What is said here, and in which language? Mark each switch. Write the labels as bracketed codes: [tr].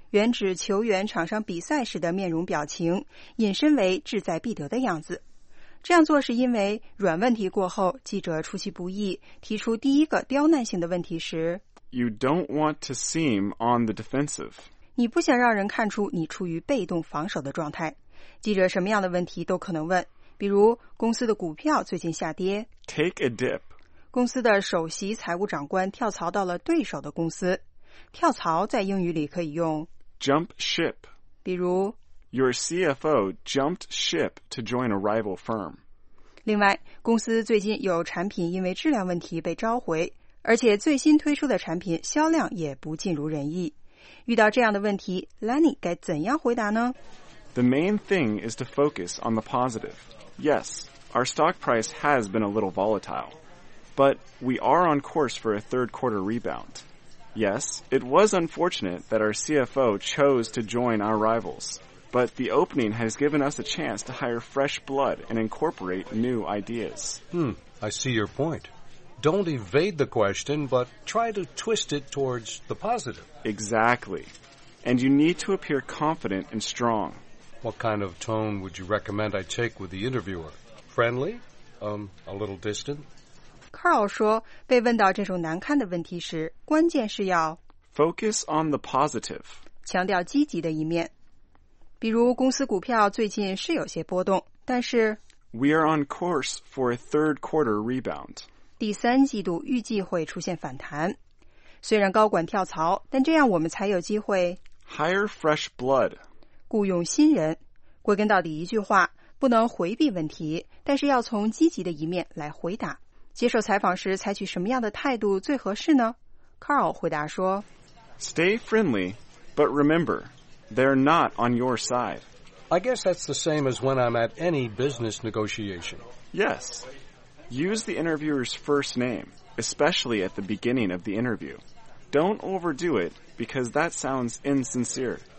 [zh] 原指球员场上比赛时的面容表情，引申为志在必得的样子。这样做是因为软问题过后，记者出其不意，提出第一个刁难性的问题时 [en] You don't want to seem on the defensive. [zh] 你不想让人看出你处于被动防守的状态。记者什么样的问题都可能问，比如公司的股票最近下跌 [en] ，take a dip。 [zh] 公司的首席财务长官跳槽到了对手的公司。跳槽在英语里可以用 [en] jump ship。 [zh] 比如 [en] ，your CFO jumped ship to join a rival firm。 [zh] 另外，公司最近有产品因为质量问题被召回，而且最新推出的产品销量也不尽如人意。遇到这样的问题 Lenny 该怎样回答呢 [en] The main thing is to focus on the positive. Yes, our stock price has been a little volatile. But we are on course for a third quarter rebound. Yes, it was unfortunate that our CFO chose to join our rivals. But the opening has given us a chance to hire fresh blood and incorporate new ideas. I see your point. Don't evade the question, but try to twist it towards the positive. Exactly. And you need to appear confident and strong. What kind of tone would you recommend I take with the interviewer? Friendly? A little distant? [zh] Carl 说被问到这种难堪的问题时关键是要 [en] Focus on the positive. [zh] 强调积极的一面。比如公司股票最近是有些波动但是 [en] We are on course for a third quarter rebound. [zh] 第三季度预计会出现反弹。虽然高管跳槽，但这样我们才有机会 [en] hire fresh blood， [zh] 雇佣新人。归根到底，一句话，不能回避问题，但是要从积极的一面来回答。接受采访时采取什么样的态度最合适呢 ？Carl 回答说 [en] ：“Stay friendly, but remember, they're not on your side. I guess that's the same as when I'm at any business negotiation. Yes.” Use the interviewer's first name, especially at the beginning of the interview. Don't overdo it, because that sounds insincere.